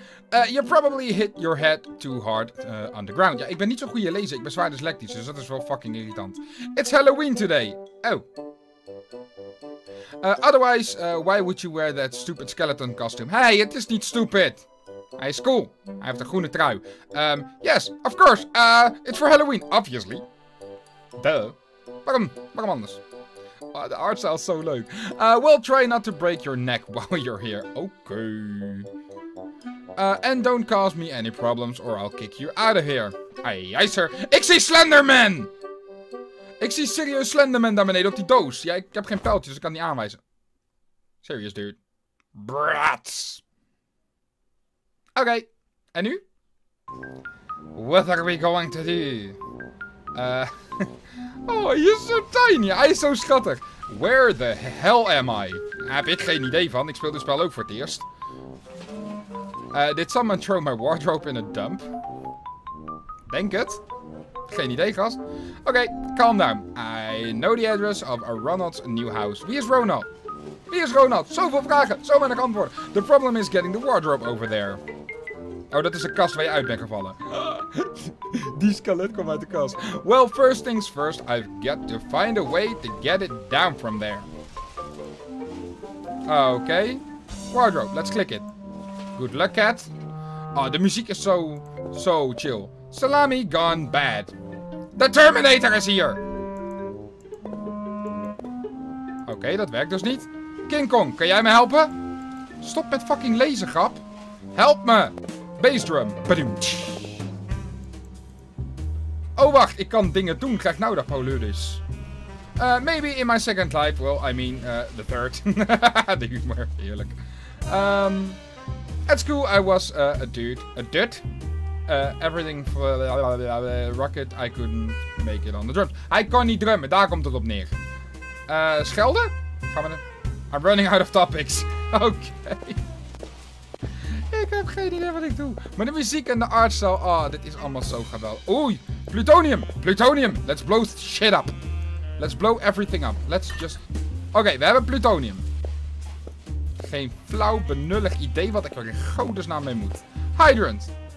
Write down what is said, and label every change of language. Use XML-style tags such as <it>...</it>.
<en>You're probably hit your head too hard on the ground.</en> <nl>Ja, ik ben niet zo'n goede lezer. Ik ben zwaar dyslectisch, dus dat is wel fucking irritant.</nl> <en>It's Halloween today. Oh. Otherwise, why would you wear that stupid skeleton costume? Hey, it is</en> <nl>niet</nl> <en>stupid.</en> <nl>Hij is cool. Hij heeft een groene trui.</nl> <en>Yes, of course. It's for Halloween, obviously. Duh.</en> <nl>Waarom anders? De art style is zo leuk.</nl> <en>Well, try not to break your neck while you're here. Okay. And don't cause me any problems or I'll kick you out of here. Aye, sir.</en> <nl>Ik zie Slenderman! Ik zie serieus Slenderman daar beneden op die doos. Ja, ik heb geen pijltjes, dus ik kan die aanwijzen.</nl> <en>Serious, dude. Brats. Okay.</en> <nl>En nu?</nl> <en>What are we going to do?</en> <nl>Oh, je is zo tiny. Hij is zo schattig.</nl> <en>Where the hell am I?</en> <nl>Daar heb ik geen idee van. Ik speel dit spel ook voor het eerst.</nl> <en>Did someone throw my wardrobe in a dump?</en> <nl>Denk het. Geen idee, gast.</nl> <en>Okay, calm down. I know the address of Ronald's new house.</en> <nl>Wie is Ronald? Wie is Ronald? Zoveel vragen, zo weinig antwoorden.</nl> <en>The problem is getting the wardrobe over there.</en> <nl>Oh, dat is de kast waar je uit bent gevallen. Die skelet kwam uit de kast.</nl> <en>Well, first things first, I've got to find a way to get it down from there. Okay. Wardrobe, let's click it. Good luck, cat.</en> <nl>Oh, de muziek is zo chill.</nl> <en>Salami gone bad. The Terminator is hier!</en> <nl>Okay, dat werkt dus niet. King Kong, kan jij me helpen? Stop met fucking lezen, grap. Help me! Bass drum. Badum. Oh, wacht. Ik kan dingen doen. Krijg nou dat Paul Lewis.</nl> <en>Maybe in my second life. Well, I mean, the third.</en> <nl>De humor. Heerlijk.</nl> <en>At school, I was a dude. A dude? Everything for the rocket. I couldn't make it on the drums.</en> <nl>Hij kan niet drummen. Daar komt het op neer. Schelden? Gaan we...</nl> <en>I'm running out of topics. Okay.</en> <nl>Ik heb geen idee wat ik doe. Maar de muziek en de artstyle, oh, dit is allemaal zo geweldig.</nl> <en>Oei, plutonium, plutonium, let's blow shit up. Let's blow everything up, let's just...</en> <nl>Oké, we hebben plutonium. Geen flauw, benullig idee wat ik er in godesnaam mee moet. Hydrant.</nl>